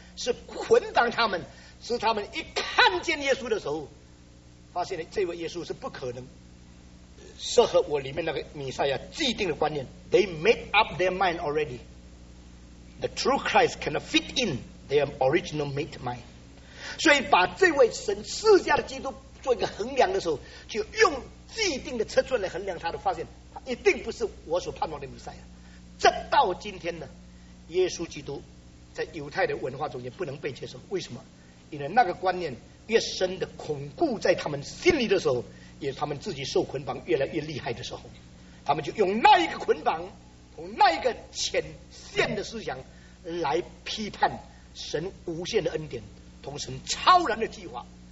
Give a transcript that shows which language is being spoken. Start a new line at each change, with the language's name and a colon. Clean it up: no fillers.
Chinese: 是捆绑他们，使他们一看见耶稣的时候，发现了这位耶稣是不可能适合我里面那个弥赛亚既定的观念。
English: They made up their mind already. The true Christ cannot fit in their original made mind.
Chinese: 所以把这位神赐下的基督做一个衡量的时候，就用既定的尺寸来衡量他的，发现他一定不是我所盼望的弥赛亚。直到今天呢，耶稣基督在犹太的文化中也不能被接受。为什么？因为那个观念越深的巩固在他们心里的时候，也他们自己受捆绑越来越厉害的时候，他们就用那一个捆绑，从那一个浅现的思想来批判神无限的恩典同神超然的计划。